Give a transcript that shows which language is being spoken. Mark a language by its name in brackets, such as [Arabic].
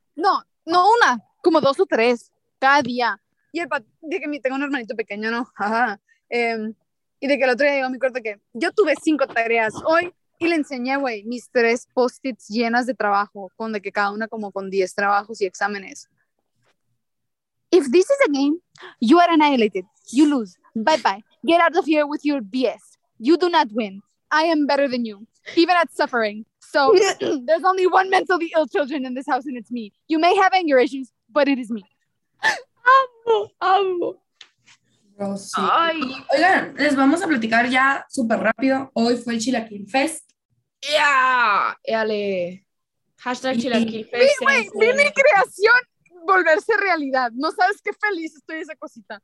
[Spanish] No una, como dos o tres, cada día. Y tengo un hermanito pequeño, ¿no? Y de que el otro día llegó a mi cuarto que yo tuve 5 tareas hoy y le enseñé, güey, mis 3 post-its llenas de trabajo, con de que cada una como con 10 trabajos y exámenes. [English] If this is a game, you are annihilated. You lose. Bye bye. Get out of here with your BS. You do not win. I am better than you. Even at suffering. So, there's only one mentally ill children in this house, and it's me. You may have anger issues, but it is me. [Spanish] Amo. Oh, sí. Ay. Oigan, les vamos a platicar ya súper rápido. Hoy fue el Chilaquil Fest. [English] Yeah. Yale. Hashtag Chilaquil Fest. [Spanish] Mi creación volverse realidad. No sabes qué feliz estoy esa cosita.